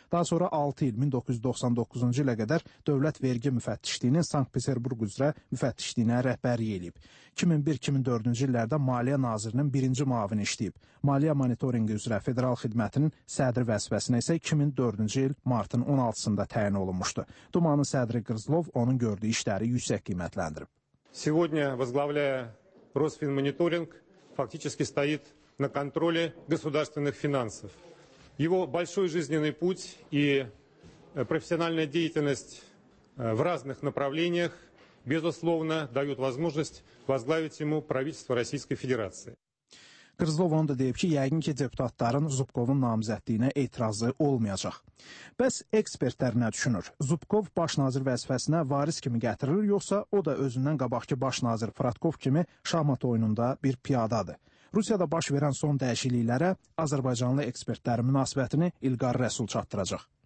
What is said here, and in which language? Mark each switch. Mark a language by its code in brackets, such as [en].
[az] Daha sonra 6 il 1999-cu ilə qədər dövlət vergi müfəttişliyinin Sankt-Peterburq üzrə müfəttişliyinə rəhbərlik edib. 2001-2004-cü illərdə Maliyyə Nazirinin birinci müavini işləyib. Maliyyə monitorinqi üzrə federal xidmətinin sədri vəzifəsinə isə 2004-cü il martın 16-sında təyin olunmuşdu. Dumanın sədri Qrızlov onun gördüyü işləri yüksək qiymətləndirib. [ru] Сегодня, возглавляя Росфинмониторинг, фактически стоит на контроле государственных финансов. Его большой жизненный путь и профессиональная деятельность в разных направлениях безусловно дают возможность возглавить ему правительство Российской Федерации. [az] Qrızlov onu da deyib ki, yəqin ki, deputatların Zubkovun namizədliyinə etirazı olmayacaq. Bəs ekspertlər nə düşünür? Zubkov baş nazir vəzifəsinə varis kimi gətirilir, yoxsa o da özündən qabaqki baş nazir Fratkov kimi şahmat oyununda bir piyadadır? Rusiyada baş verən son dəyişikliklərə azərbaycanlı ekspertlərin münasibətini İlqar Rəsul çatdıracaq.